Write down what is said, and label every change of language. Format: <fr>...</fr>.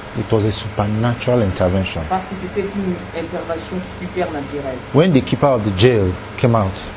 <en>It was a supernatural intervention.</en> <fr>Parce que c'était une intervention supernaturelle.</fr> <en>When the keeper of the jail came out,</en>